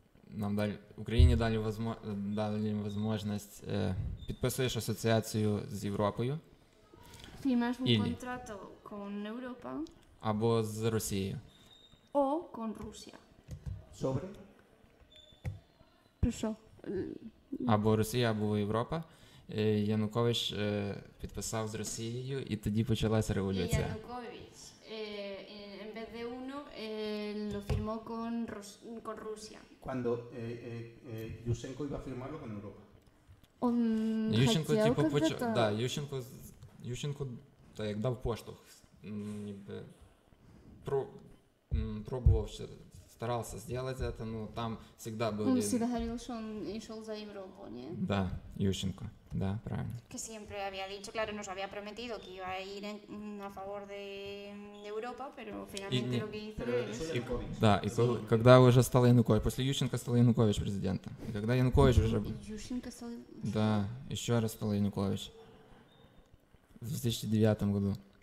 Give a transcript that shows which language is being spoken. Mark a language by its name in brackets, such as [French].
[Ukrainian] Нам дали, Україні дали, дали можливість, підписуєш асоціацію з Європою. [Spanish] Firmas un contrato con Europa. [Ukrainian] Або з Росією. [Spanish] O con Rusia. Sobre? [Ukrainian] Про що? Або Росія, або Європа. Янукович підписав з Росією і тоді почалася революція. [Spanish] Янукович en vez de uno lo firmó con Rusia. Cuando Yushchenko iba a firmarlo con Europa. [Ukrainian] Yushchenko типу почав, да, Yushchenko та як дав поштовх, ніби пробував ще [Russian] старался сделать это, но там всегда были... Он всегда говорил, что он шел за Европу, не? Да, Ющенко, да, правильно. [Spanish] Que siempre había dicho, claro, nos había prometido que iba a ir a favor de Europa, pero finalmente lo que hizo es... [Russian] Да, и когда уже стал Янукович, после Ющенко стал Янукович президентом. И когда Янукович уже... Ющенко стал... Да, еще раз стал Янукович. В 2009 году.